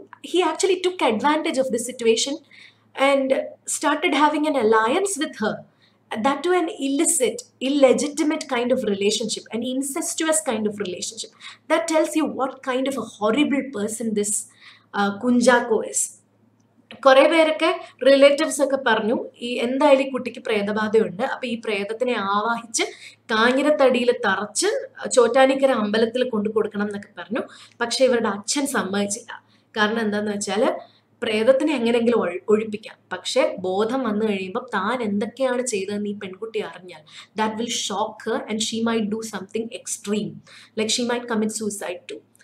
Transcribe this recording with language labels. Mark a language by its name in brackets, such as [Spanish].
[English] He actually took advantage of this situation and started having an alliance with her. That to an illicit, illegitimate kind of relationship, an incestuous kind of relationship, that tells you what kind of a horrible person this Kunjako is. [Malayalam] കുറേ പേരൊക്കെ relatives ഒക്കെ പറഞ്ഞു ഈ എന്തായാലും ഈ കുട്ടിക്ക് പ്രേതബാധയുണ്ട്. അപ്പം ഈ പ്രേതത്തിനെ ആവാഹിച്ച് കാഞ്ഞിരത്തടിയിൽ തറച്ച് ചോറ്റാനിക്കര അമ്പലത്തിൽ കൊണ്ട് കൊടുക്കണം എന്നൊക്കെ പറഞ്ഞു. പക്ഷേ ഇവരുടെ അച്ഛൻ സമ്മതിച്ചില്ല. കാരണം എന്താന്ന് വെച്ചാൽ പ്രേതത്തിനെ എങ്ങനെയെങ്കിലും ഒഴിപ്പിക്കാം, പക്ഷേ ബോധം വന്നു കഴിയുമ്പോൾ താൻ എന്തൊക്കെയാണ് ചെയ്തതെന്ന് ഈ പെൺകുട്ടി അറിഞ്ഞാൽ [English] That will shock her and she might do something extreme, like she might commit suicide too.